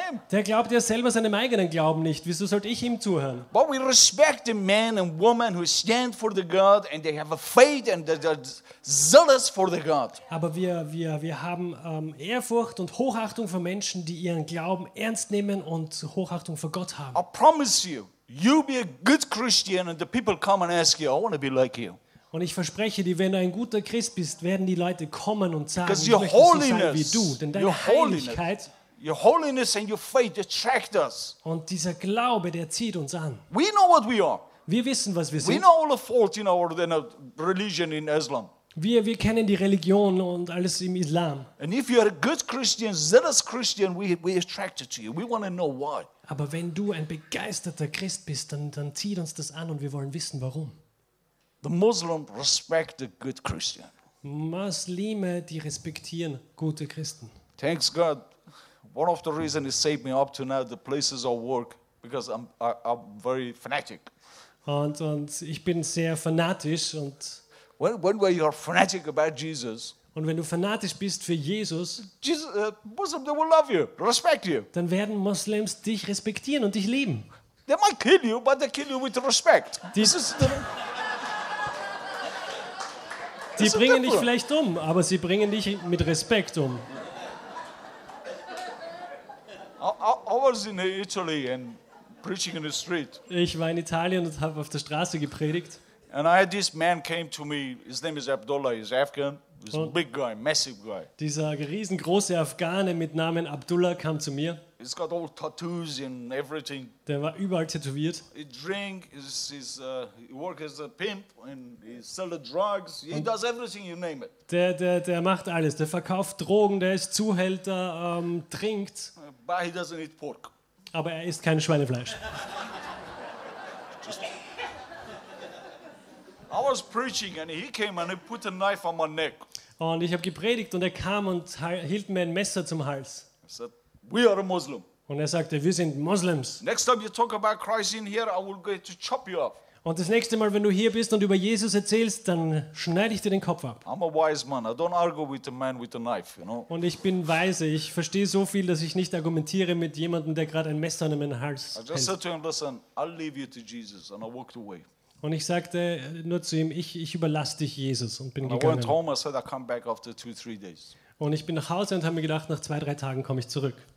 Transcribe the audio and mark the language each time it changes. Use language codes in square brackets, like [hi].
[de] Der glaubt ja selber seinem eigenen Glauben nicht. Wieso sollte ich ihm zuhören? [en] But we respect the man and woman who stand for the God and they have a faith and they're zealous for the God. [de] Aber wir haben Ehrfurcht und Hochachtung für Menschen, die ihren Glauben ernst nehmen und Hochachtung vor Gott haben. [en] I promise you, you be a good Christian and the people come and ask you, I want to be like you. [de] Und ich verspreche dir, wenn du ein guter Christ bist, werden die Leute kommen und sagen, ich möchte so sein wie du. Denn deine Heiligkeit, [en] your holiness and your faith attract us. [de] Und dieser Glaube, der zieht uns an. [en] We know what we are. [de] Wir wissen, was wir sind. [en] We know all the fault in our religion in Islam. [de] Wir kennen die Religion und alles im Islam. [en] And if you are a good Christian, zealous Christian, we attracted to you. We want to know why. [de] Aber wenn du ein begeisterter Christ bist, dann zieht uns das an und wir wollen wissen, warum. [en] The Muslim respect the good Christian. [de] Muslime, die respektieren gute Christen. [en] Thanks God. One of the reasons it saved me up to now, the places I work, because I'm very fanatic. [de] Und ich bin sehr fanatisch und. [en] When were you fanatic about Jesus? [de] Und wenn du fanatisch bist für Jesus, [en] Muslims, they will love you, respect you. [de] Dann werden Muslims dich respektieren und dich lieben. [en] They might kill you, but they kill you with respect. [de] Sie bringen dich vielleicht um, aber sie bringen dich mit Respekt um. [en] I was in Italy and preaching in the street. [de] Ich war in Italien und habe auf der Straße gepredigt. [en] And I had this man came to me. His name is Abdullah. He's Afghan. He's a big guy, massive guy. [de] Dieser riesengroße Afghane mit Namen Abdullah kam zu mir. [en] He's got all tattoos and everything. [de] Der war überall tätowiert. [en] He drink, he work as a pimp and he sell the drugs. He does everything, you name it. [de] Der macht alles. Der verkauft Drogen, der ist Zuhälter, trinkt. [en] But he doesn't eat pork. [de] Aber er isst kein Schweinefleisch. [en] I was preaching and he came and he put a knife on my neck. [de] Und ich habe gepredigt und er kam und hielt mir ein Messer zum Hals. [en] We are a Muslim. [de] Und er sagte, wir sind Muslims. [en] Next time you talk about Christ in here, I will go to chop you up. [de] Und das nächste Mal, wenn du hier bist und über Jesus erzählst, dann schneide ich dir den Kopf ab. [en] I'm a wise man. I don't argue with a man with a knife, you know. [de] Und ich bin weise. Ich verstehe so viel, dass ich nicht argumentiere mit jemandem, der gerade ein Messer an meinem Hals hält. [en] I just said to him, listen, I'll leave you to Jesus, and I walked away. [de] Und ich sagte nur zu ihm, ich überlasse dich Jesus und bin gegangen. [en] I went home, I said, I'll come back after 2-3 days. [de] Und ich bin nach Hause und habe mir gedacht, nach 2-3 Tagen komme ich zurück.